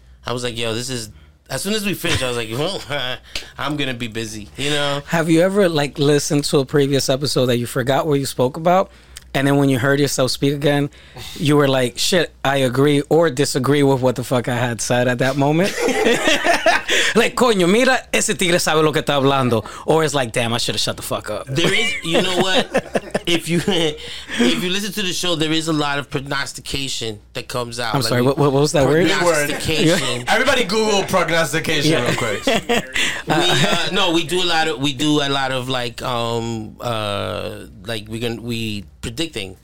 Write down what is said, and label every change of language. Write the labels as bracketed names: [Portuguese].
[English] I was like, yo, this is. As soon as we finished, I was like, well, I'm going to be busy. You know? Have you ever like listened to a previous episode that you forgot what you spoke about? And then when you heard yourself speak again, you were like, shit, I agree or disagree with what the fuck I had said at that moment. [Spanish] Like, coño, mira, ese tigre sabe lo que está hablando. [English] Or it's like, damn, I should have shut the fuck up. There is, you know what? If you listen to the show, there is a lot of prognostication that comes out. I'm like, sorry, what was that word? Prognostication. Everybody Google prognostication real quick. We do a lot of we predicting.